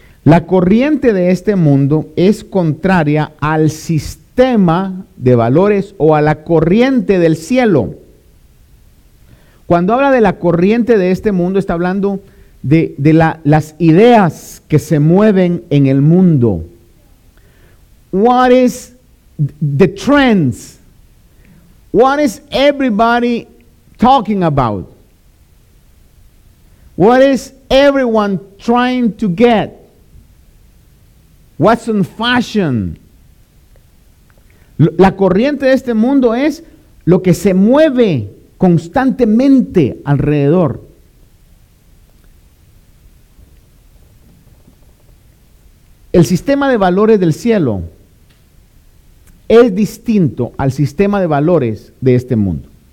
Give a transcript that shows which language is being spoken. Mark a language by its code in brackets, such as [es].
[es] La corriente de este mundo es contraria al sistema de valores o a la corriente del cielo. Cuando habla de la corriente de este mundo, está hablando de las ideas que se mueven en el mundo. [en] What is the trends? What is everybody talking about? What is everyone trying to get? What's in fashion? [es] La corriente de este mundo es lo que se mueve constantemente alrededor. El sistema de valores del cielo es distinto al sistema de valores de este mundo.